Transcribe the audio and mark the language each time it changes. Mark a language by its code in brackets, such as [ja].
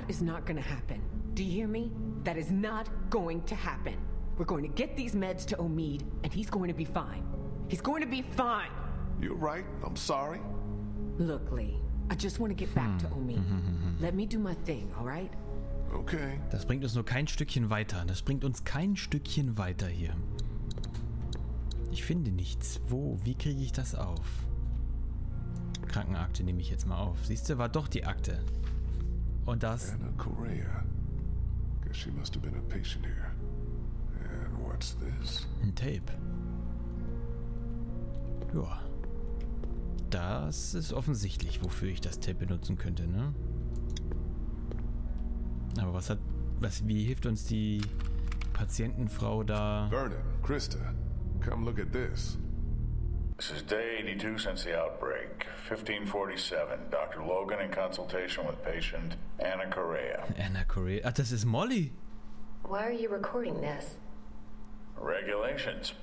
[en] That is not gonna happen. Do you hear me? That is not going to happen. We're going to get these meds to Omid, and he's going to be fine. He's going to be fine! You're right. I'm sorry. Look, Lee. I just want to get back to Omid. Let me do my thing, all right? Okay. [de] Das bringt uns nur kein Stückchen weiter. Das bringt uns kein Stückchen weiter hier. Ich finde nichts. Wo? Wie kriege ich das auf? Krankenakte nehme ich jetzt mal auf. Siehst du, war doch die Akte. Und das... Anna Correa. [en] Guess she must have been a patient here. And what's this? [de] Ein Tape. Joa. Das ist offensichtlich, wofür ich das Tape benutzen könnte, ne? Aber was hat... Wie hilft uns die Patientenfrau da... [en] Vernon, Krista, come look at this. This is day 82 since the outbreak. 1547, Dr. Logan in consultation with patient Anna Correa. [de] Anna Correa? Ach, das ist Molly! [en] Why are you recording this? Regulations.